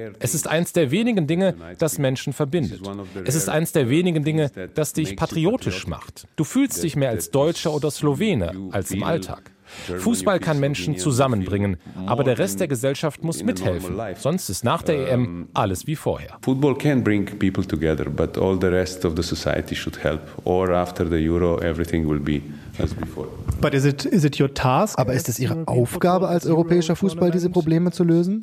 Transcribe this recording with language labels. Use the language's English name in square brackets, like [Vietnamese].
[German] Es ist eins der wenigen Dinge, das Menschen verbindet. Es ist eins der wenigen Dinge, das dich patriotisch macht. Du fühlst dich mehr als Deutscher oder Slowene als im Alltag. Fußball kann Menschen zusammenbringen, aber der Rest der Gesellschaft muss mithelfen. Sonst ist nach der EM alles wie vorher. [English] Football can bring people together, but all the rest of the society should help. Or after the Euro, everything will be as before. But is it your task? [German] Aber ist es Ihre Aufgabe als europäischer Fußball, diese Probleme zu lösen?